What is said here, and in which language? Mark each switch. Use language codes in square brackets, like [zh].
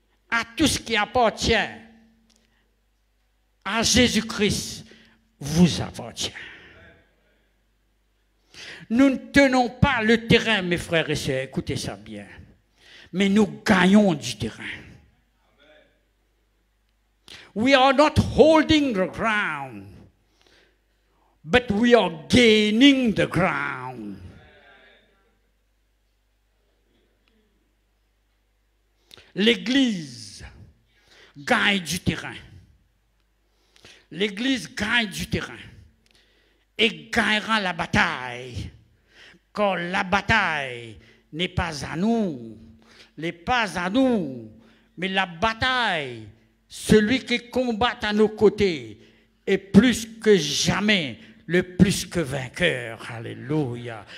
[fr] À tout ce qui appartient à Jésus-Christ, vous appartient. Nous ne tenons pas le terrain, mes frères et sœurs, écoutez ça bien. Mais nous gagnons du terrain. [en] We are not holding the ground, but we are gaining the ground. [fr] L'Église gagne du terrain. L'Église gagne du terrain et gagnera la bataille. Quand la bataille n'est pas à nous, n'est pas à nous, mais la bataille, celui qui combat à nos côtés, est plus que jamais le plus que vainqueur. Alléluia.